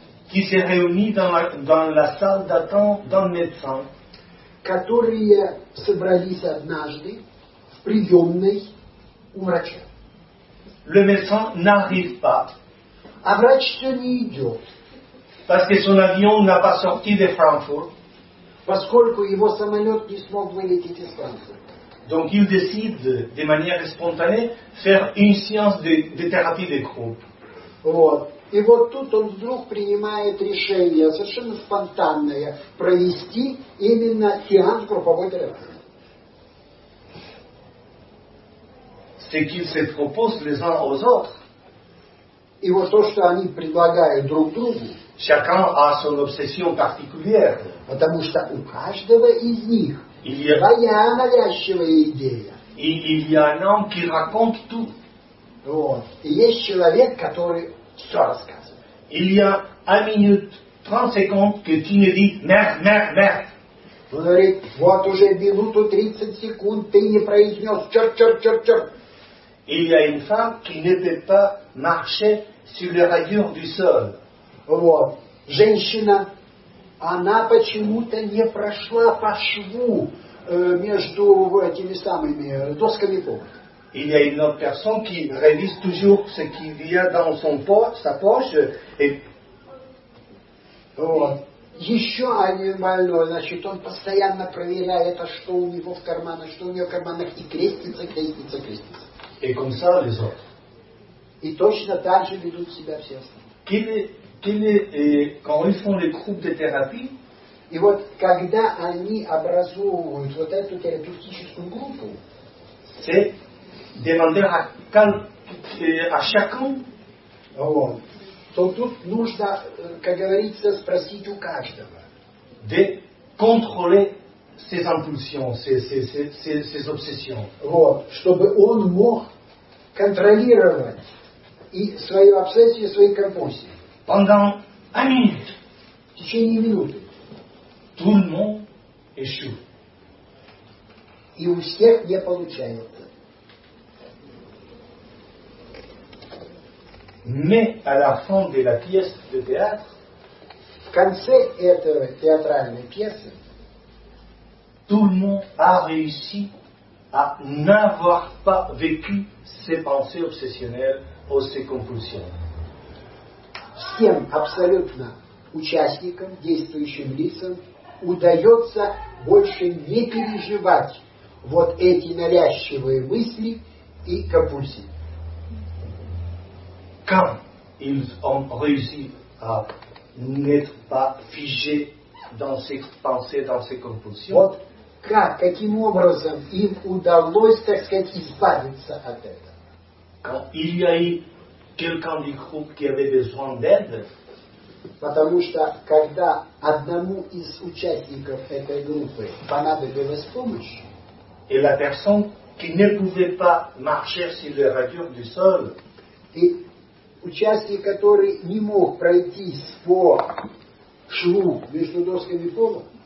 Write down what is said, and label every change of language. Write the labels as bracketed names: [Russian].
[French] qui se réunit dans la salle d'attente d'un médecin, [Russian] которые собрались однажды в приемной у врача. [French] Le médecin n'arrive pas. [Russian] А врач-то не идет. [French] Parce que son avion n'a pas sorti de Frankfurt. [Russian] Поскольку его самолет не смог вылететь из Франции. [French] Donc il décide de manière spontanée faire une séance de thérapie de groupe. [Russian] Вот. И вот тут он вдруг принимает решение совершенно спонтанное провести именно сеанс групповой терапии. [French] Ce qu'ils se proposent les uns aux autres. [Russian] И вот то, что они предлагают друг другу. [French] Chacun a son obsession particulière. [Russian] Потому что у каждого из них своя навязчивая идея. [French] Il y a un homme qui raconte tout. [Russian] Вот. И есть человек, который все рассказывает. [French] Il y a un minute, 30 secondes que tu ne dis «мер, мер, мер». [Russian] Он говорит, вот уже минуту 30 секунд ты не произнес «чер, чер, чер, чер». [French] Il y a une femme qui ne peut pas marcher sur les rayures du sol. [Russian] Вот. Женщина, она почему-то не прошла по шву между этими самыми досками пола. [French] Il y a une autre personne qui révise toujours ce qu'il y a dans son poche, sa poche. Et... [Russian] Вот. Еще один больной, значит, он постоянно проверяет, что у него в карманах, что у него в карманах, и крестится, крестится, крестится. [French] Et comme ça, les autres. [Russian] И точно так же ведут себя все остальные. [French] Quand ils font les groupes de thérapie, et [Russian] вот когда они образуют вот эту терапевтическую группу, [French] c'est demander à chacun. [Russian] Вот. То тут нужно, как говорится, спросить у каждого. [French] De contrôler ses impulsions, ses obsessions. [Russian] Вот. Чтобы он мог контролировать и свою обсессию, и свои компульсии. [French] Pendant une minute, [Russian] в течение минуты, [French] tout le monde échoue. [Russian] И у всех не получается. [French] Mais à la fin de la pièce de théâtre, [Russian] в конце этой театральной пьесы, [French] tout le monde a réussi à n'avoir pas vécu ses pensées obsessionnelles ou ses compulsions. [Russian] Всем абсолютно участникам, действующим лицам, удается больше не переживать вот эти навязчивые мысли и компульсии. [French] Quand ils ont réussi à n'être pas figés dans ses pensées, dans ses compulsions, [Russian] вот к как, каким образом им удалось, так сказать, избавиться от этого? [French] Il y a quelqu'un du groupe qui avait besoin d'aide. [Russian] Потому что когда одному из участников этой группы понадобилась помощь, [French] et la personne qui ne pouvait pas marcher sur les radios du sol, [Russian] и участник, который не мог пройти по шву между досками пола,